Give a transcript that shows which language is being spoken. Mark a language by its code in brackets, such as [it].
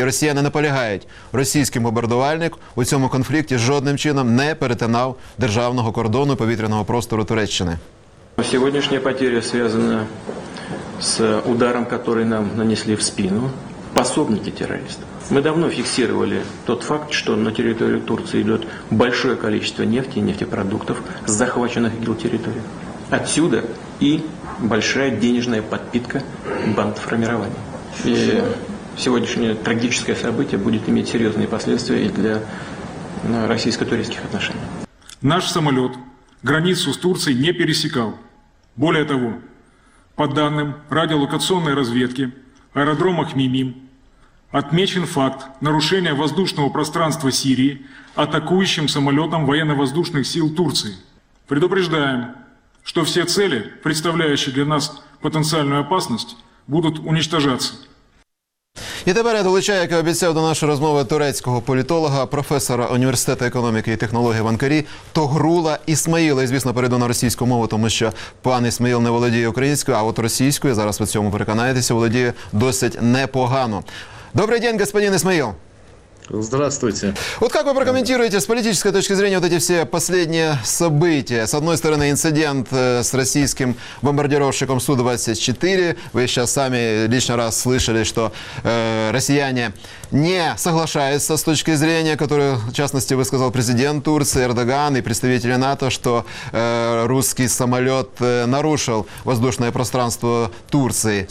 [uk] І росіяни наполягають. Російський бомбардувальник у цьому конфлікті жодним чином не перетинав державного кордону повітряного простору Туреччини. Сьогоднішня потеря зв'язана з ударом, який нам нанесли в спину пособники терористів. [ru] Мы давно фиксировали тот факт, что на территорию Турции идет большое количество нефти и нефтепродуктов с захваченных ИГИЛ территорий. Отсюда и большая денежная подпитка бандформирования. И сегодняшнее трагическое событие будет иметь серьезные последствия и для российско-турецких отношений. Наш самолет границу с Турцией не пересекал. Более того, по данным радиолокационной разведки, аэродрома Хмеймим, отмечен факт нарушения воздушного пространства Сирии атакующим самолетом военно-воздушных сил Турции. Предупреждаем, что все цели, представляющие для нас потенциальную опасность, будут уничтожаться. [uk] І тепер я долучаю, як і обіцяв, до нашої розмови турецького політолога, професора університету економіки і технології в Анкарі Тогрула Ісмаїла. І, звісно, перейду на російську мову, тому що пан Ісмаїл не володіє українською, а от російською, зараз ви цьому переконаєтеся, володіє досить непогано. Добрий день, господин Ісмаїл. [ru] Здравствуйте. Вот как вы прокомментируете с политической точки зрения вот эти все последние события? С одной стороны, инцидент с российским бомбардировщиком Су-24. Вы сейчас сами лично раз слышали, что россияне не соглашаются с точки зрения, которую, в частности, высказал президент Турции Эрдоган и представители НАТО, что русский самолет нарушил воздушное пространство Турции.